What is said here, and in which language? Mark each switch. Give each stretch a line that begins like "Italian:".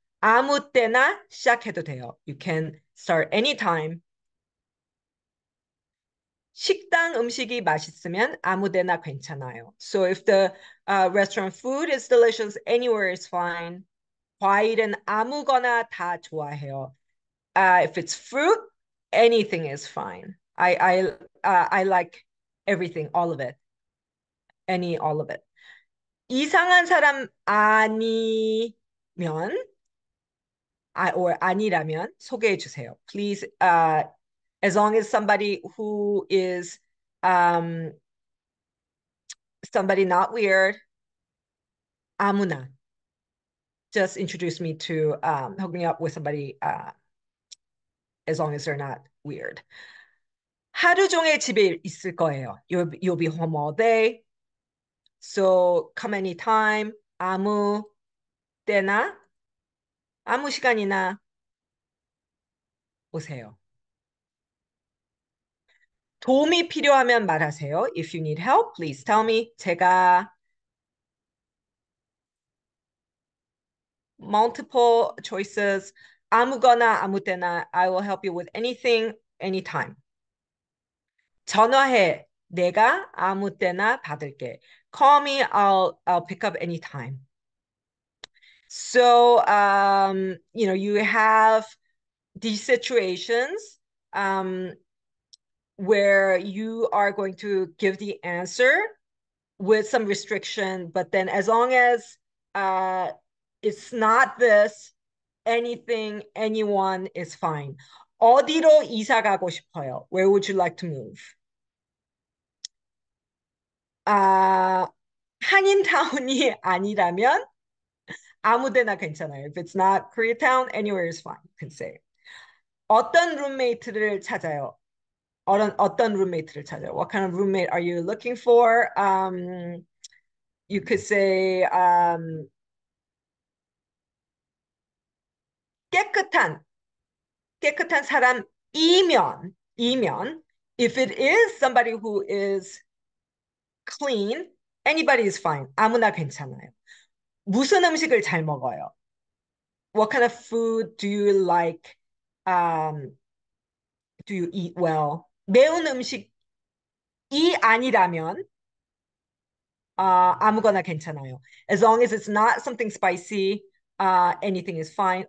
Korean: 아무 때나 시작해도 돼요.
English: You can start anytime.
Korean: 식당 음식이 맛있으면 아무 데나 괜찮아요.
English: So if the restaurant food is delicious, anywhere is fine.
Korean: 과일은 아무거나 다 좋아해요.
English: If it's fruit, anything is fine. I like everything, all of it. Any, all of it.
Korean: 이상한 사람 아니면 or 아니라면 소개해 주세요.
English: Please, as long as somebody who is somebody not weird, 아무나. Just introduce me to hook me up with somebody as long as they're not weird.
Korean: 하루 종일 집에 있을 거예요.
English: You'll be home all day. So come anytime,
Korean: 아무 때나, 아무 시간이나 오세요. 도움이 필요하면 말하세요.
English: If you need help, please tell me.
Korean: 제가
English: multiple choices,
Korean: 아무거나 아무 때나
English: I will help you with anything, anytime.
Korean: 전화해. 내가 아무 때나 받을게.
English: Call me, I'll pick up anytime. So, you have these situations, where you are going to give the answer with some restriction, but then as long as it's not this, anything, anyone is fine.
Korean: 어디로 이사 가고 싶어요?
English: Where would you like to move?
Korean: 한인타운이 아니라면 아무 데나 괜찮아요.
English: If it's not Koreatown, anywhere is fine, you can say.
Korean: 어떤 룸메이트를 찾아요? 어떤 룸메이트를 찾아요?
English: What kind of roommate are you looking for? You could say
Korean: 깨끗한 사람이면
English: if it is somebody who is clean, anybody is fine.
Korean: 아무나 괜찮아요. 무슨 음식을 잘 먹어요?
English: What kind of food do you like? Do you eat well?
Korean: 매운 음식이 아니라면 아무거나 괜찮아요.
English: As long as it's not something spicy, anything is fine.